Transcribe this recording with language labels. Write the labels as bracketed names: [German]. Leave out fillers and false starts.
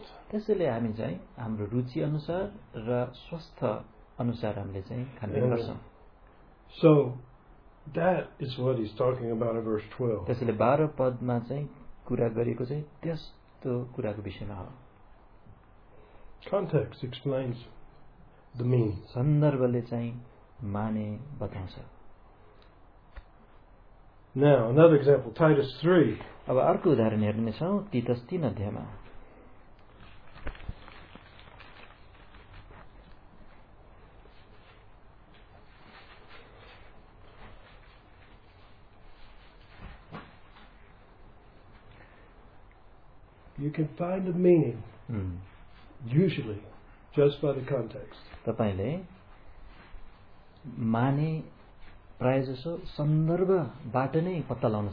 [Nepali] त्यसैले हामी चाहिँ हाम्रो रुचि अनुसार र स्वास्थ्य अनुसार हामीले चाहिँ खाने गर्छौँ. [English] So that is what he's talking about in verse 12. [Nepali] त्यसैले बाह्र पदमा चाहिँ कुरा गरिएको चाहिँ त्यस्तो कुराको विषयमा हो. [English] Context explains the meaning. [Nepali] सन्दर्भले चाहिँ माने बताउँछ. [English] Now, another example, Titus 3. [Nepali] अब अर्को उदाहरण हेर्नेछौँ तितस 3 अध्यायमा. [English] You can find the meaning, usually, just by the context. [Nepali] तपाईँले माने प्राय जसो सन्दर्भबाट नै पत्ता लाउन